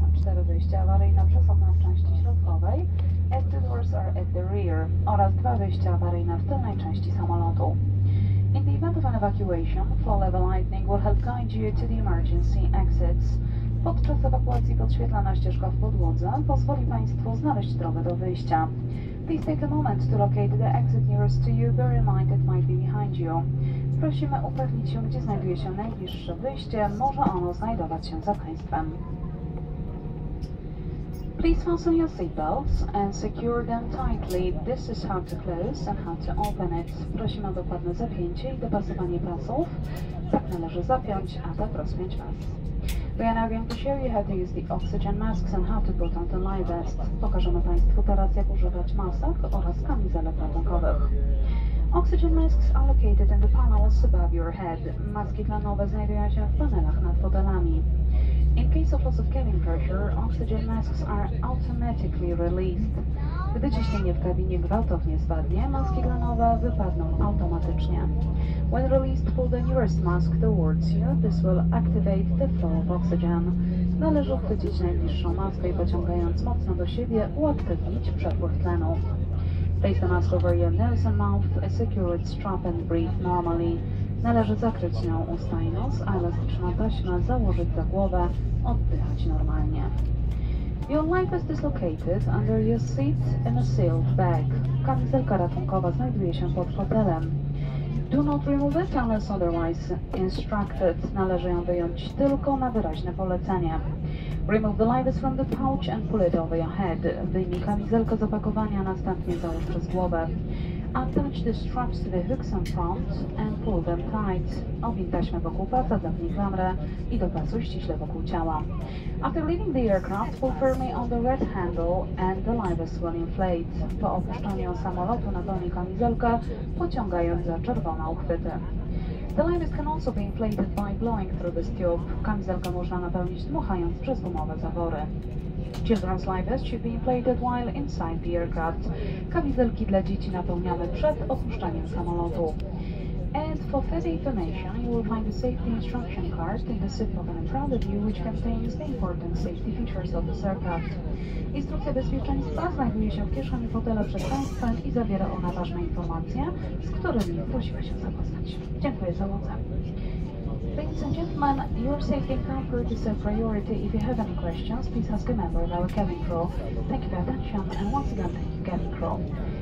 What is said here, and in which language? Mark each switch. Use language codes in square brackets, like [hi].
[pl] Przedowyjście awaryjne przez okno w części środkowej. [en] Exit doors are at the rear. [pl] Oraz dwa wyjścia awaryjne w tylnej części samolotu. [en] In the event of an evacuation, low-level lightning will help guide you to the emergency exits. [pl] Podczas ewakuacji podświetlana ścieżka w podłodze pozwoli Państwu znaleźć drogę do wyjścia. [en] Please take a moment to locate the exit nearest to you, bear in mind it might be behind you. [pl] Prosimy upewnić się, gdzie znajduje się najbliższe wyjście, może ono znajdować się za Państwem. [en] Please fasten your seatbelts and secure them tightly. This is how to close and how to open it. [pl] Prosimy o dokładne zapięcie i dopasowanie pasów. Tak należy zapiąć, a tak rozpiąć pas. [en] We are now going to show you how to use the oxygen masks and how to put on the life vest. [pl] Pokażemy Państwu teraz, jak używać masek oraz kamizelek ratunkowych. [en] Oxygen masks are located in the panels above your head. [pl] Maski tlenowe znajdują się w panelach nad fotelami. [en] In case of loss of cabin pressure, oxygen masks are automatically released. [pl] Gdy ciśnienie w kabinie gwałtownie spadnie, maski tlenowe wypadną automatycznie. [en] When released, pull the nearest mask towards you. This will activate the flow of oxygen. [pl] Należy uchwycić najbliższą maskę i pociągając mocno do siebie, uaktywnić przepływ tlenu. [en] Place the mask over your nose and mouth, secure its strap and breathe normally. [pl] Należy zakryć nią usta i nos, a elastyczną taśmę założyć za głowę, oddychać normalnie. [en] Your life vest is located under your seat in a sealed bag. [pl] Kamizelka ratunkowa znajduje się pod fotelem. [en] Do not remove it unless otherwise instructed. [pl] Należy ją wyjąć tylko na wyraźne polecenie. [en] Remove the life vest from the pouch and pull it over your head. [pl] Wyjmij kamizelkę z opakowania, następnie załóż przez głowę. [en] Attach the straps to the hooks in front and pull them tight. [pl] Owiń taśmę wokół pasa, zamknij klamrę i dopasuj ściśle wokół ciała. [en] After leaving the aircraft, pull firmly on the red handle and the life vest will inflate. [pl] Po opuszczeniu samolotu napełnij kamizelkę, pociągając za czerwone uchwyty. [en] The life vest can also be inflated by blowing through this tube. [pl] Kamizelkę można napełnić dmuchając przez gumowe zawory. [en] Children's life vest should be inflated while inside the aircraft. [pl] Kamizelki dla dzieci napełniamy przed opuszczeniem samolotu. [en] And for further information, you will find the safety instruction card in the seat pocket in front of you, which contains the important safety features of the aircraft. [pl] Instrukcja bezpieczeństwa znajduje się w kieszeni fotela przed Państwem i zawiera ona ważne informacje, z którymi prosimy się zapoznać. Dziękuję za uwagę. [en] Ladies and gentlemen, your safety and comfort is a priority. If you have any questions, please ask a member of our cabin crew. Thank you for your attention and once again, thank you, cabin crew.